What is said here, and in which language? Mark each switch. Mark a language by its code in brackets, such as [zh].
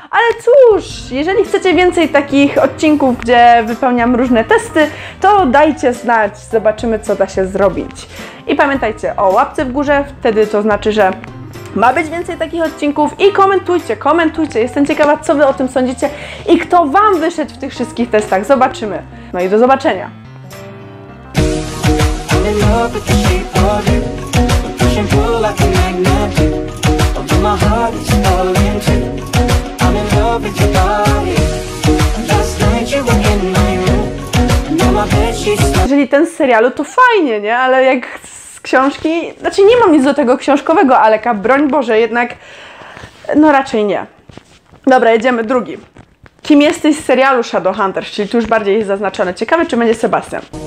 [pl] Ale cóż, jeżeli chcecie więcej takich odcinków, gdzie wypełniam różne testy, to dajcie znać, zobaczymy, co da się zrobić. I pamiętajcie o łapce w górze, wtedy to znaczy, że ma być więcej takich odcinków i komentujcie. Jestem ciekawa, co wy o tym sądzicie i kto wam wyszedł w tych wszystkich testach. Zobaczymy. No i do zobaczenia. [en] I'm in love with the shape of you. We push and pull like a magnet do. Although my heart is falling too. I'm in love with your body. Last night you were in my room. And now my bed sheets. [pl] Jeżeli ten z serialu, to fajnie, nie? Ale jak z książki... Znaczy nie mam nic do tego książkowego Aleka, broń Boże, jednak... No raczej nie. Dobra, jedziemy, drugi. Kim jesteś z serialu Shadowhunters? Czyli tu już bardziej jest zaznaczone. Ciekawe, czy będzie Sebastian.